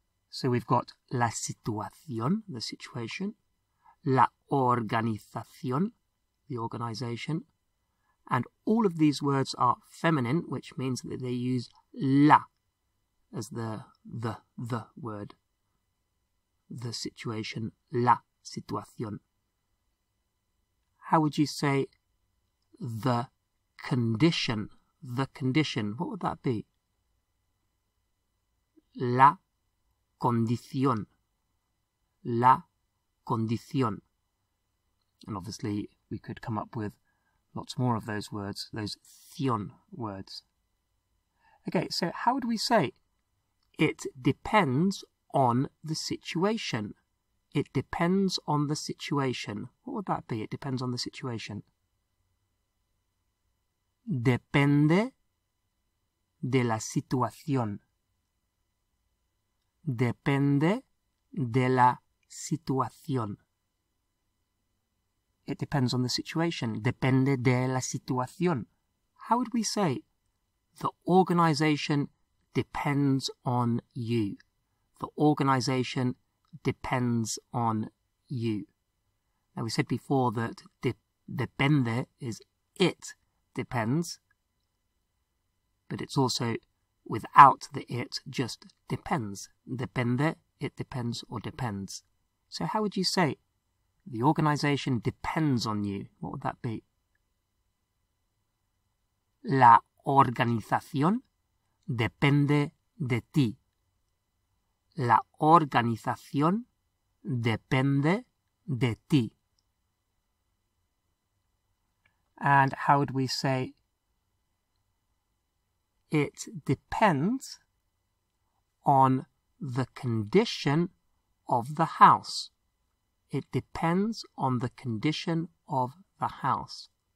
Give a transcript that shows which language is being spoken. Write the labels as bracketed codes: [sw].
[en] So we've got [es] la situación, [en] the situation, [es] la organización, [en] the organization, and all of these words are feminine, which means that they use la as the word. The situation, [es] la situación. [en] How would you say the condition? The condition, what would that be? [es] La condición. La condición. [en] And obviously, we could come up with lots more of those words, those thion words. Okay, so how would we say it depends on the situation? It depends on the situation. What would that be? It depends on the situation. [es] Depende de la situación. Depende de la situación. [en] It depends on the situation. [es] Depende de la situación. [en] How would we say the organization depends on you? The organization depends on you. Now, we said before that depende is it depends, but it's also without the it, just depends. Depende, it depends, or depends. So how would you say the organization depends on you? What would that be? [es] La organización depende de ti. La organización depende de ti. [en] And how would we say it depends on the condition of the house? It depends on the condition of the house.